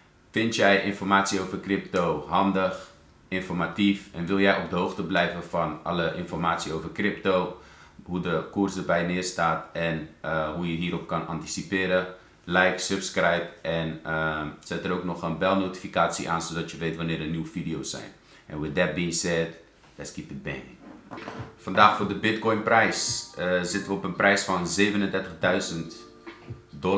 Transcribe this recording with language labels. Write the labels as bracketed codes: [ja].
[nl] Vind jij informatie over crypto handig, informatief en wil jij op de hoogte blijven van alle informatie over crypto, hoe de koers erbij neerstaat en hoe je hierop kan anticiperen? Like, subscribe en zet er ook nog een belnotificatie aan, zodat je weet wanneer er nieuwe video's zijn. [en] And with that being said, let's keep it banging. [nl] Vandaag voor de Bitcoin prijs zitten we op een prijs van $37,000.